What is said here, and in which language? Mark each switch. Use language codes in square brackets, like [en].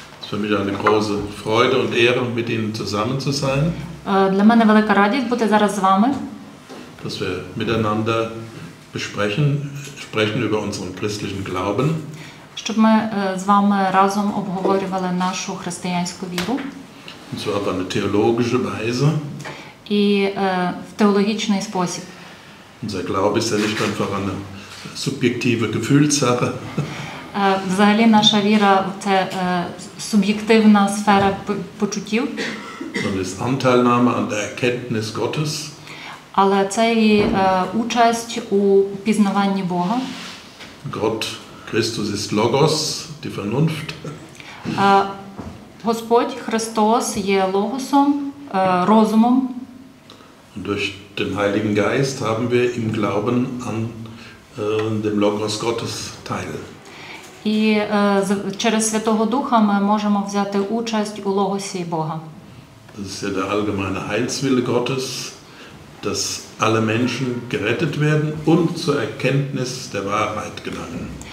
[de] für mich eine große Freude und Ehre, mit Ihnen zusammen zu sein. [uk] Для мене велика радість бути зараз з вами. [de] Dass wir miteinander sprechen über unseren christlichen Glauben. [uk] Щоб ми з вами разом обговорювали нашу християнську віру. [de] Und zwar auf eine theologische Weise. [uk] І в теологічний спосіб. [de] Unser Glaube ist ja nicht einfach eine subjektive Gefühlssache. [uk] Взагалі наша віра – це суб'єктивна сфера почуттів. [de] Und ist Anteilnahme an der Erkenntnis Gottes. [uk] Але це і участь у пізнаванні Бога. [de] Gott, Christus ist Logos, die Vernunft. [uk] Господь Христос є логосом, розумом. [de] Und durch den Heiligen Geist haben wir im Glauben an dem Logos Gottes teil. [uk] І через Святого Духа ми можемо взяти участь у логосі Бога. [de] Das ist ja der allgemeine Heilswille Gottes, dass alle Menschen gerettet werden und zur Erkenntnis der Wahrheit gelangen.